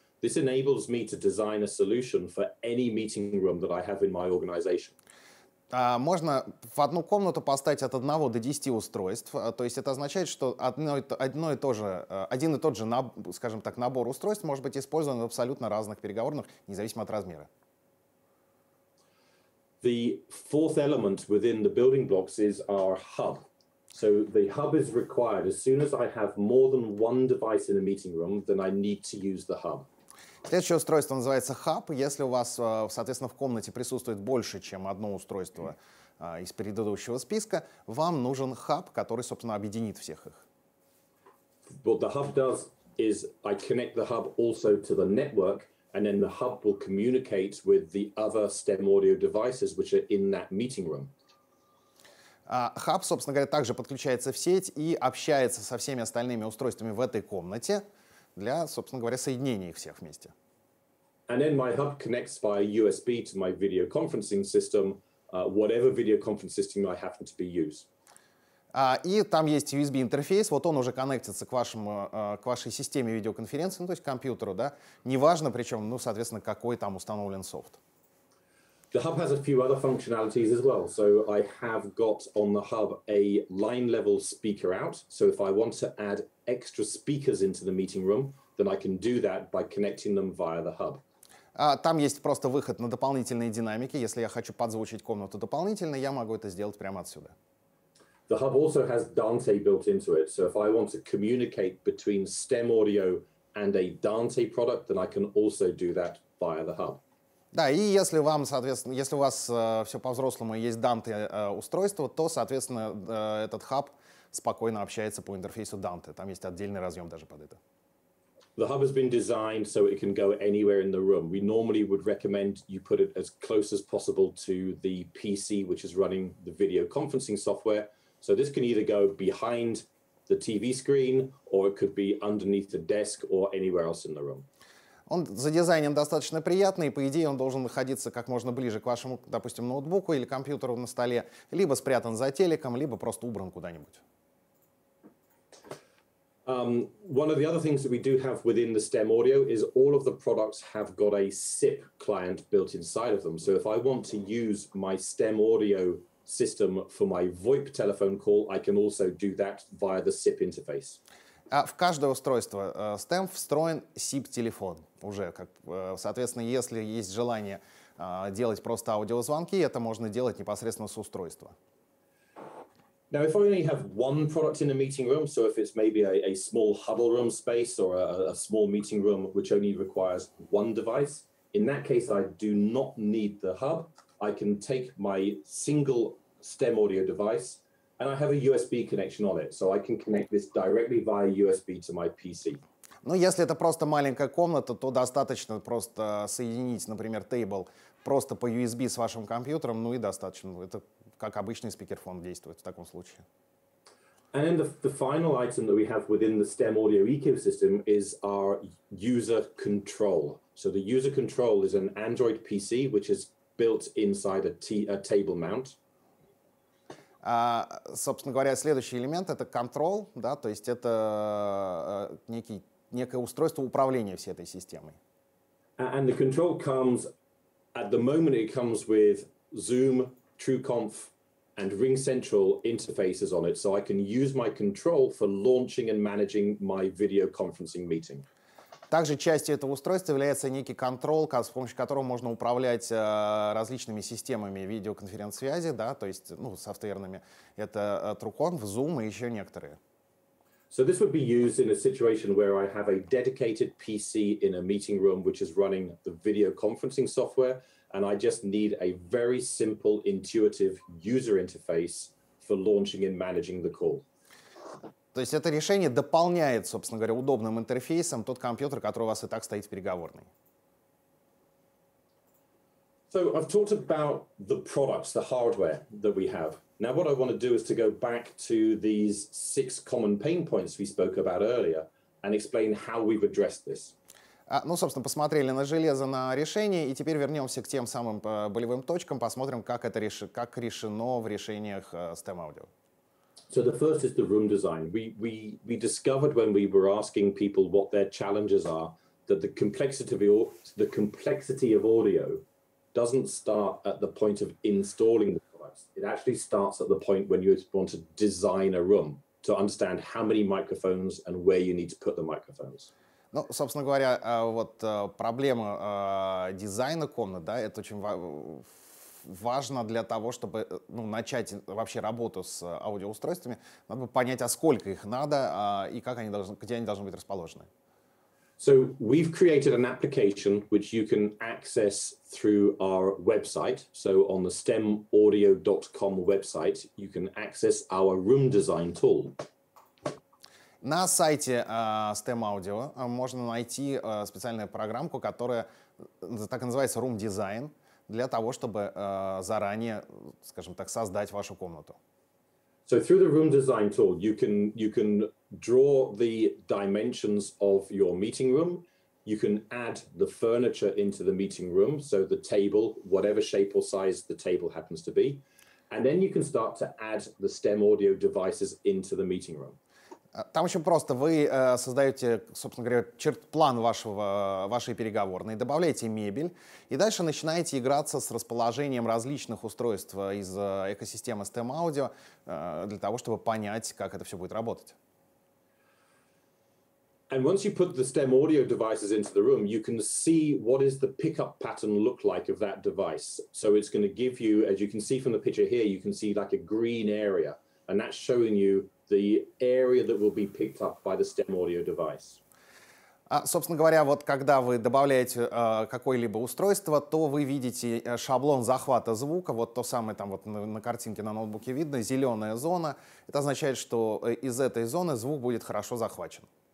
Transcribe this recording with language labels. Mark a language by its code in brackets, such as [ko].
[en] This enables me to design a solution for any meeting room that I have in my organization. [ru] Можно в одну комнату поставить от 1 до 10 устройств. То есть это означает, что один и тот же, скажем так, набор устройств может быть использован в абсолютно разных переговорных, независимо от размера. [en] The fourth element within the building blocks is our hub. So the hub is required. As soon as I have more than one device in a meeting room, then I need to use the hub. [ru] Следующее устройство называется хаб. Если у вас, соответственно, в комнате присутствует больше, чем одно устройство из предыдущего списка, вам нужен хаб, который, собственно, объединит всех их. [en] What the hub does is I connect the hub also to the network, and then the hub will communicate with the other STEM audio devices, which are in that meeting room. [ru] Хаб, собственно говоря, также подключается в сеть и общается со всеми остальными устройствами в этой комнате, для, собственно говоря, соединения их всех вместе. [en] And then my hub connects via USB to my video conferencing system, whatever video conference system I happen to be use. [ru] И там есть USB интерфейс, вот он уже коннектится к вашему, к вашей системе видеоконференции, ну, то есть к компьютеру, да? Неважно, причем, ну, соответственно, какой там установлен софт. [en] The hub has a few other functionalities as well. So I have got on the hub a line level speaker out. So if I want to add extra speakers into the meeting room, then I can do that by connecting them via the hub. [ru] Там есть просто выход на дополнительные динамики. Если я хочу подзвучить комнату дополнительно, я могу это сделать прямо отсюда. [en] The hub also has Dante built into it. So if I want to communicate between stem audio and a Dante product, then I can also do that via the hub. [ru] Да, и если вам, соответственно, если у вас все по-взрослому есть Dante устройство, то, соответственно, этот хаб спокойно общается по интерфейсу Dante. Там есть отдельный разъем даже под это. [en] The hub has been designed so it can go anywhere in the room. We normally would recommend you put it as close as possible to the PC, which is running the video conferencing software. So this can either go behind the TV screen, or it could be underneath the desk, or anywhere else in the room. [ru] Он за дизайном достаточно приятный, и по идее он должен находиться как можно ближе к вашему, допустим, ноутбуку или компьютеру на столе, либо спрятан за телеком, либо просто убран куда-нибудь. [en] One of the other things that we do have within the STEM Audio is all of the products have got a SIP client built inside of them. So if I want to use my STEM Audio system for my VoIP telephone call, I can also do that via the SIP interface. [ru] В каждое устройство STEM встроен SIP-телефон уже. Как, соответственно, если есть желание делать просто аудиозвонки, это можно делать непосредственно с устройства. [en] Now, if I only have one product in a meeting room, so if it's maybe a small huddle room space or a small meeting room which only requires one device, in that case, I do not need the hub. I can take my single STEM audio device and I have a USB connection on it, so I can connect this directly via USB to my PC. [ru] Ну, если это просто маленькая комната, то достаточно просто соединить, например, тейбл просто по USB с вашим компьютером, ну и достаточно. Это как обычный спикерфон действует в таком случае. [en] And the final item that we have within the STEM audio ecosystem is our user control. So the user control is an Android PC, which is built inside a table mount. [ru] Собственно говоря, следующий элемент — это control, да, то есть это некое устройство управления всей этой системой. [en] And the control comes, at the moment it comes with Zoom, TrueConf, and Ring Central interfaces on it, so I can use my control for launching and managing my video conferencing meeting. [ru] Также частью этого устройства является некий контрол, с помощью которого можно управлять различными системами видеоконференц-связи, да, то есть, ну, софтверными. Это TrueConf, Zoom и еще некоторые. [en] So this would be used in a situation where I have a dedicated PC in a meeting room which is running the video conferencing software, and I just need a very simple, intuitive user interface for launching and managing the call. [ru] То есть это решение дополняет, собственно говоря, удобным интерфейсом тот компьютер, который у вас и так стоит в переговорной. [en] So I've talked about the products, the hardware that we have. Now what I want to do is to go back to these six common pain points we spoke about earlier and explain how we've addressed this. [ru] Ну, собственно, посмотрели на железо, на решение, и теперь вернемся к тем самым болевым точкам, посмотрим, как это как решено в решениях STEM Audio. [en] So the first is the room design. We discovered when we were asking people what their challenges are that the complexity of audio doesn't start at the point of installing the products. It actually starts at the point when you want to design a room to understand how many microphones and where you need to put the microphones. [ru] Ну, собственно говоря, вот проблема дизайна комнат, да, это очень важно для того, чтобы ну, начать вообще работу с аудиоустройствами. Надо бы понять, а сколько их надо и как они должны, где они должны быть расположены. [en] So we've created an application which you can access through our website. So on the stemaudio.com website, you can access our room design tool. [ru] На сайте STEM Audio можно найти специальную программку, которая так и называется Room Design, для того, чтобы заранее, скажем так, создать вашу комнату. [en] So through the Room Design tool, you can draw the dimensions of your meeting room, you can add the furniture into the meeting room, so the table, whatever shape or size the table happens to be, and then you can start to add the STEM Audio devices into the meeting room. [ru] Там очень просто. Вы создаете, собственно говоря, план вашей переговорной, добавляете мебель, и дальше начинаете играться с расположением различных устройств из экосистемы STEM Audio для того, чтобы понять, как это все будет работать. [en] And once you put the STEM audio devices into the room, you can see what is the pickup pattern look like of that device. So it's going to give you, as you can see from the picture here, you can see like a green area, and that's showing you the area that will be picked up by the STEM audio device. [ru] А, собственно говоря, вот когда вы добавляете какое-либо устройство, то вы видите шаблон захвата звука, вот то самое там вот на картинке на ноутбуке видно, зеленая зона. Это означает, что из этой зоны звук будет хорошо захвачен.